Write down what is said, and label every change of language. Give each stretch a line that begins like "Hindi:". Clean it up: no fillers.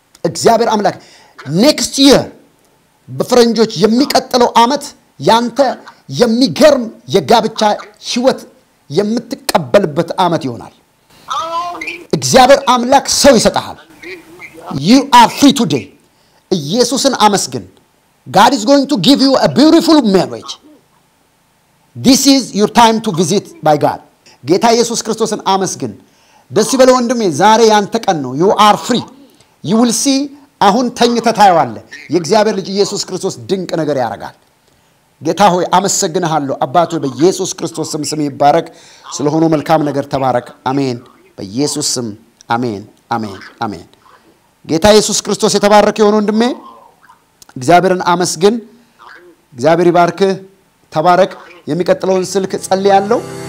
Amharic: እግዚአብሔር አምላክ next year በፈረንጆች የሚቀጥለው አመት ያንተ የሚገርም የጋብቻ ህይወት የምትቀበልበት አመት ይሆናል። እግዚአብሔር አምላክ ሰው ይሰጣሃል።
English: you are free today.
Amharic: ኢየሱስን አመስግን።
English: God is going to give you a beautiful marriage. This is your time to visit by God.
Amharic: ጌታ ኢየሱስ ክርስቶስን አመስግን። ደስ ይበለው ወንድሜ፣ ዛሬ ያንተ ቀን ነው።
English: you are free. you will see
Amharic: አሁን ተኝተህ ታየዋለህ። የእግዚአብሔር ልጅ ኢየሱስ ክርስቶስ ድንቅ ነገር ያደርጋል። ጌታ ሆይ አመሰግናለሁ። አባቶ በኢየሱስ ክርስቶስ ስም ስም ይባረክ። ስለሆነ መልካም ነገር ተባረክ። አሜን። በኢየሱስ ስም አሜን አሜን አሜን። ጌታ ኢየሱስ ክርስቶስ የተባረከ ይሁን ወንድሜ። እግዚአብሔርን አመስግን። እግዚአብሔር ይባርክ። ተባረክ። የሚቀጥለውን ስልክ ጸልያለሁ።